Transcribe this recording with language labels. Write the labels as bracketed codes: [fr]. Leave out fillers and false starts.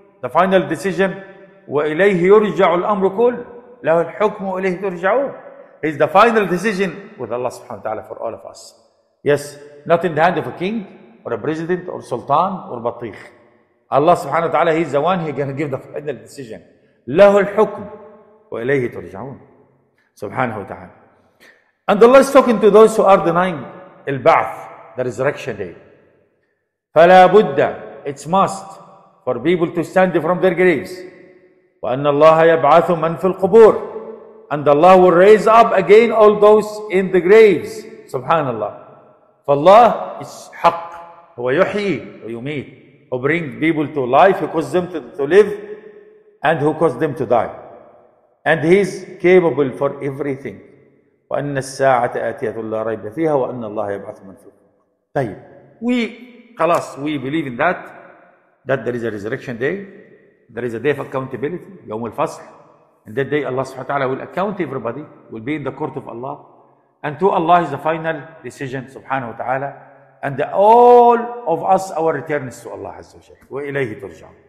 [en] The final decision, [ar] وَإِلَيْهِ يُرْجَعُ الْأَمْرُ كُلْ لَهُ الْحُكْمُ وَإِلَيْهِ تُرْجَعُونَ. [en] It's the final decision with Allah subhanahu wa ta'ala for all of us. Yes, not in the hand of a king or a president or sultan or batikh. Allah subhanahu wa ta'ala, He's the one who's going to give the final decision. [ar] له الحكم وإليه ترجعون سبحانه وتعالى. [en] And Allah is talking to those who are denying البعث, the resurrection day. [ar] فلا بد, [en] it's must for people to stand from their graves. [ar] وأن الله يبعث من في القبور. [en] And Allah will raise up again all those in the graves. [ar] سبحان الله. فالله [en] is [ar] حق, هو يحيي ويميت, [en] who brings people to life, who caused them to live, and who caused them to die. And he is capable for everything. [ar] وأن الساعة آتية لا ريب فيها وأن الله يبعث من في القبور. طيب. [en] We, [ar] خلاص, [en] we believe in that, that there is a resurrection day, there is a day of accountability, [ar] يوم الفصل. [en] And that day Allah سبحانه وتعالى will account everybody, will be in the court of Allah. And to Allah is the final decision, سبحانه وتعالى. And all of us, our return is to Allah عز وجل. [ar] وإليه ترجع.